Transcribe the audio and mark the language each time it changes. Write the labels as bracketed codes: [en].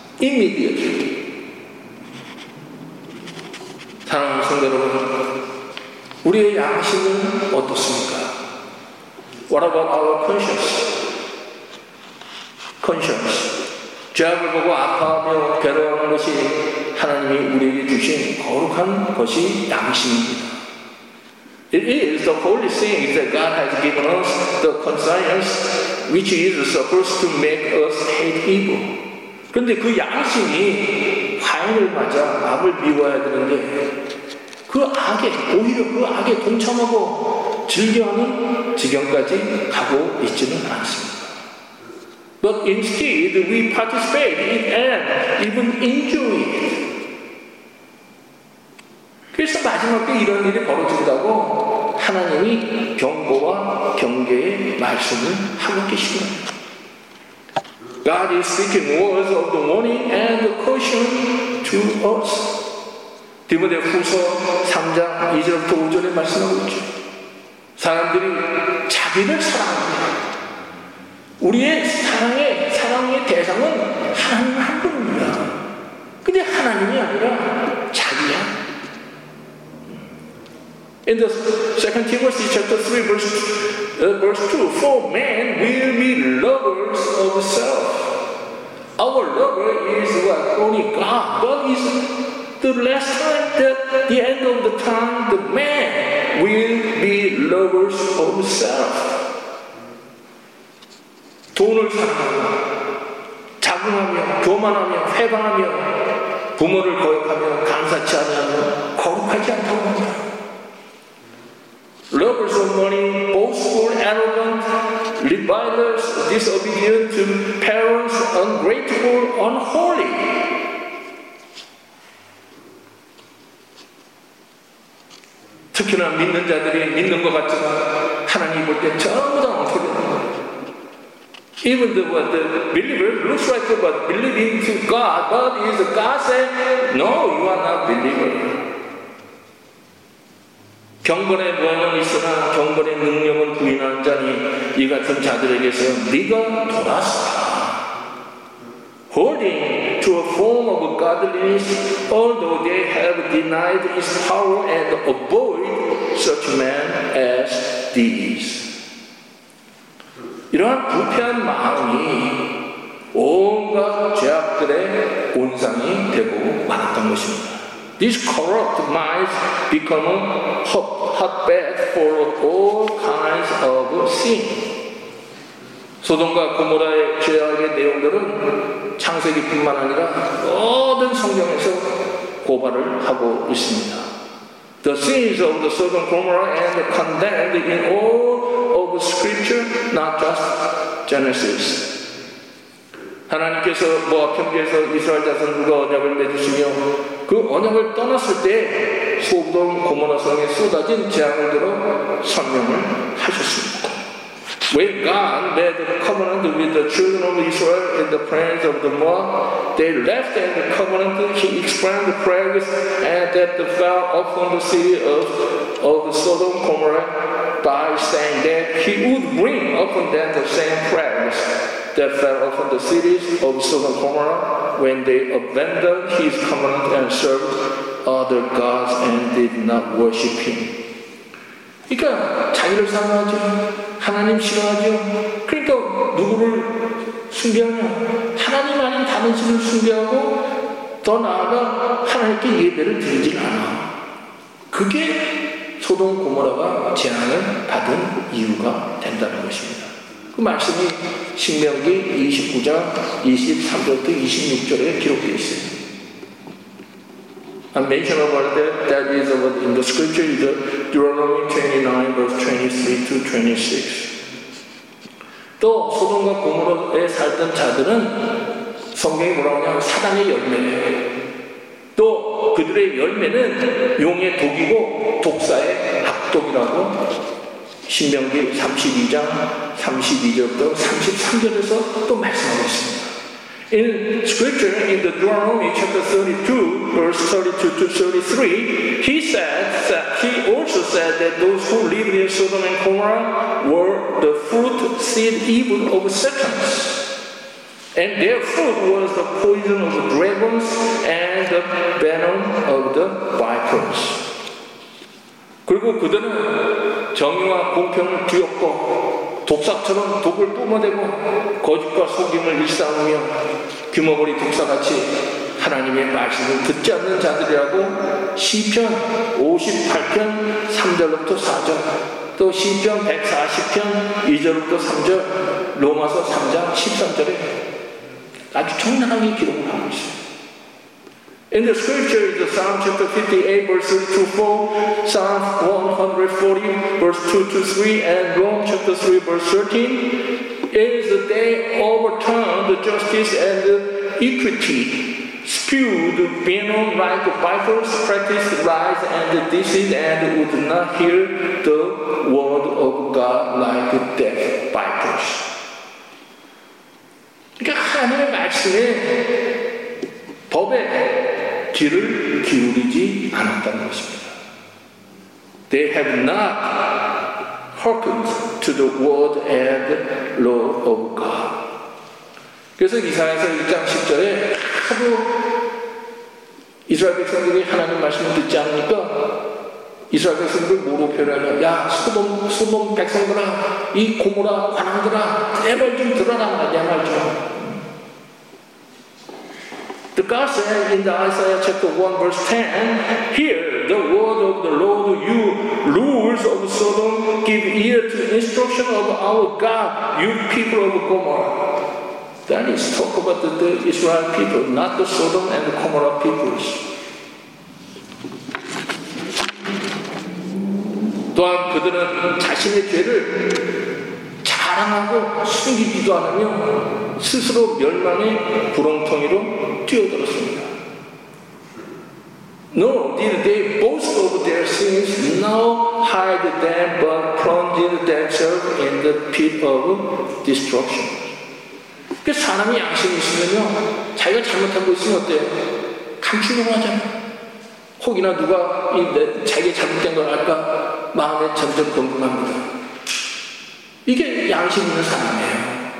[en] Immediately. [ko] 사랑하는 성도 여러분, 우리의 양심은 어떻습니까? [en] What about our conscience? Conscience. [ko] 죄악을 보고 아파하며 괴로워하는 것이 하나님이 우리에게 주신 거룩한 것이 양심입니다. [en] It is the holy thing that God has given us, the conscience, which is supposed to make us hate evil. [ko] 근데 그 양심이 화인을 맞아 악을 미워해야 되는데 그 악에, 오히려 그 악에 동참하고 즐겨하는 지경까지 가고 있지는 않습니다. [en] But instead, we participate in and even enjoy it. [ko] 그래서 마지막 때 이런 일이 벌어진다고 하나님이 경고와 경계의 말씀을 하고 계십니다. [en] God is speaking words of the warning and the caution to us. [ko] 디모데후서 3장 2절부터 5절에 말씀하고 있죠. 사람들이 자기를 사랑합니다. 우리의 사랑의 대상은 하나님 한 분입니다. 근데 하나님이 아니라 자기야. [en] In the 2 Timothy chapter 3 verse 2, for man will be lovers of self. Our lover is what? Only God. But is the last time that the end of the time the man will be lovers of self. [ko] 돈을 사랑하며, 자긍하며, 교만하며, 회방하며, 부모를 거역하며, 감사치 않으며, 거룩하지 않다고 합니다. [en] Lovers of money, boastful, arrogant, revilers, disobedient to parents, ungrateful, unholy. [ko] 특히나 믿는 자들이 믿는 것 같지만 하나님 볼 때 전부 다 엉터리. [en] Even the believer looks like a believing to God, but is God saying, "No, you are not believer." [ko] 경건의 면은 있으나 경건의 능력은 부인하는 자니 이 같은 자들에게서 네가 돌아서 [en] holding to a form of godliness, although they have denied its power and avoid such men as these. [ko] 이러한 부패한 마음이 온갖 죄악들의 온상이 되고 말았던 것입니다. [en] These corrupt minds become a hotbed for all kinds of sin. [ko] 소돔과 고모라의 죄악의 내용들은 창세기뿐만 아니라 모든 성경에서 고발을 하고 있습니다. [en] The sins of the Sodom and Gomorrah are condemned in all of Scripture, not just Genesis. [ko] 하나님께서 모압 평지에서 이스라엘 자손들과 언약을 맺으시며 그 언약을 떠났을 때 소돔 고모라 성에 쏟아진 재앙을 들어 설명을 하셨습니다. [en] When God made a covenant with the children of Israel in the plains of the Moab, they left and the covenant, he explained the plagues and that they fell upon the city of Sodom and Gomorrah by saying that he would bring upon them the same plagues that fell upon the cities of Sodom and Gomorrah when they abandoned his covenant and served other gods and did not worship him. [ko] 그러니까 자기를 사랑하죠. 하나님 싫어하죠. 그러니까 누구를 숭배하냐. 하나님 아닌 다른 신을 숭배하고 더 나아가 하나님께 예배를 드리지 않아. 그게 소돔 고모라가 재앙을 받은 이유가 된다는 것입니다. 그 말씀이 신명기 29장 23절부터 26절에 기록되어 있어요. [en] A mention of that is about in the scripture, the Deuteronomy 29, verse 23 to 26. [ko] 또 소돔과 고모라에 살던 자들은 성경이 뭐라고 하냐면 사단의 열매예요. 또 그들의 열매는 용의 독이고 독사의 악독이라고 신명기 32장 32절부터 33절에서 또 말씀하고 있습니다. [en] In scripture, in the Deuteronomy chapter 32, verse 32 to 33, he also said that those who lived in Sodom and Gomorrah were the fruit seed evil of serpents. And their fruit was the poison of the dragons and the venom of the vipers. [ko] 그리고 그들은 정의와 공평을 뒤엎고 독사처럼 독을 뿜어대고 거짓과 속임을 일삼으며 규모벌이 독사같이 하나님의 말씀을 듣지 않는 자들이라고 시편 58편 3절부터 4절 또 시편 140편 2절부터 3절 로마서 3장 13절에 아주 청량하게 기록을 하고 있습니다. [en] In the scripture, the Psalm chapter 58, verse 3 to 4, Psalm 140, verse 2 to 3, and Romans chapter 3, verse 13, is the day overturned the justice and equity, spewed venom like vipers, practiced lies and deceit, and would not hear the word of God like deaf vipers. [ko] 그러니까 하나같이 법에 귀를 기울이지 않았다는 것입니다. [en] They have not hearkened to the word and law of God. [ko] 그래서 이사야서 1장 10절에 하도 이스라엘 백성들이 하나님 말씀을 듣지 않으니까 이스라엘 백성들을 뭐로 표현하냐. 야, 소돔 백성들아, 이 고모라, 관왕들아, 제발 좀 드러나냐 말이죠. [en] The God said in the Isaiah chapter 1 verse 10, Hear the word of the Lord, you rulers of Sodom, give ear to the instruction of our God, you people of Gomorrah. That is talk about the Israel people, not the Sodom and the Gomorrah peoples. [ko] 또한 그들은 자신의 죄를 자랑하고 숨기지도 않으며 스스로 멸망의 구렁텅이로 뛰어들었습니다. [en] Nor did they boast of their sins, nor hide them, but plunged themselves in the pit of destruction. [ko] 그 사람이 양심이 있으면요, 자기가 잘못한 거 있으면 어때요? 감추려고 하잖아요. 혹이나 누가 자기가 잘못된 걸 알까 마음에 점점 궁금합니다. 이게 양심 있는 사람이에요.